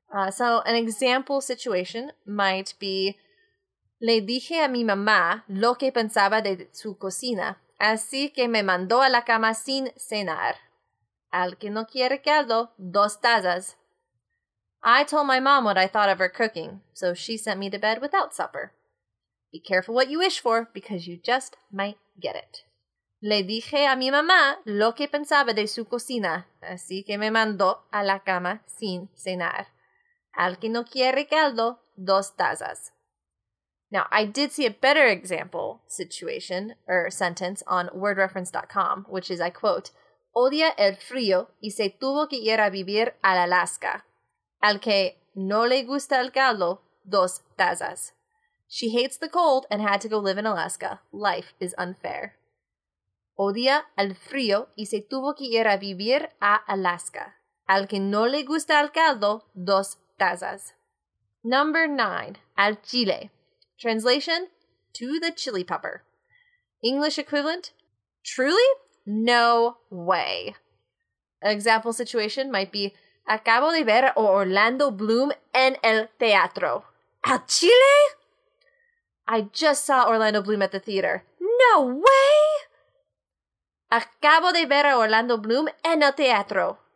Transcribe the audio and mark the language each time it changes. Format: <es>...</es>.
<en>So an example situation might be,</en> <es>le dije a mi mamá lo que pensaba de su cocina, así que me mandó a la cama sin cenar. Al que no quiere caldo, dos tazas.</es> <en>I told my mom what I thought of her cooking, so she sent me to bed without supper. Be careful what you wish for, because you just might get it.</en> <es>Le dije a mi mamá lo que pensaba de su cocina, así que me mandó a la cama sin cenar. Al que no quiere caldo, dos tazas.</es> <en>Now, I did see a better example situation or sentence on wordreference.com, which is, I quote,</en> <es>odia el frío y se tuvo que ir a vivir al Alaska. Al que no le gusta el caldo, dos tazas.</es> <en>She hates the cold and had to go live in Alaska. Life is unfair.</en> <es>Odia el frío y se tuvo que ir a vivir a Alaska. Al que no le gusta el caldo, dos tazas.</es> <en>Number 9.</en> <es>Al chile.</es> <en>Translation, to the chili pepper. English equivalent? Truly? No way. An example situation might be,</en> <es>acabo de ver Orlando Bloom en el teatro. Al Chile?</es> <en>I just saw Orlando Bloom at the theater. No way!</en> <es>Acabo de ver Orlando Bloom en el teatro.</es>